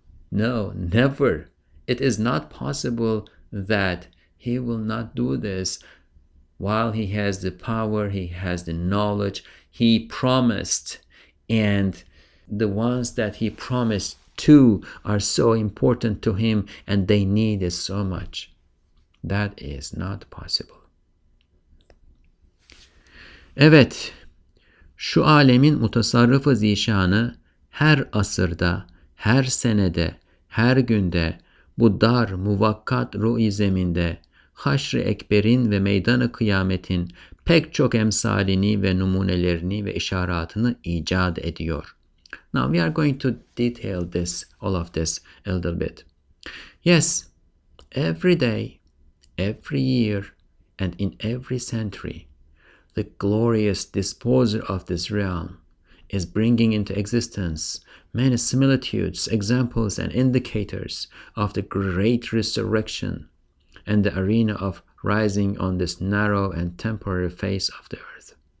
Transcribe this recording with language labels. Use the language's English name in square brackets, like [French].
[English] No, never. It is not possible that he will not do this while he has the power, he has the knowledge, he promised, and the ones that he promised to are so important to him and they need it so much. That is not possible. [Turkish] Evet, şu alemin mutasarrıfı zişanı her asırda, her senede, her günde, bu dar muvakkat ru'i zeminde, haşr-ı ekberin ve meydan-ı kıyametin pek çok emsalini ve numunelerini ve işaretini icat ediyor. [English] Now we are going to detail this, all of this, a little bit. Yes, every day, every year, and in every century, the glorious disposer of this realm, is bringing into existence many similitudes, examples, and indicators of the great resurrection and the arena of rising on this narrow and temporary face of the earth.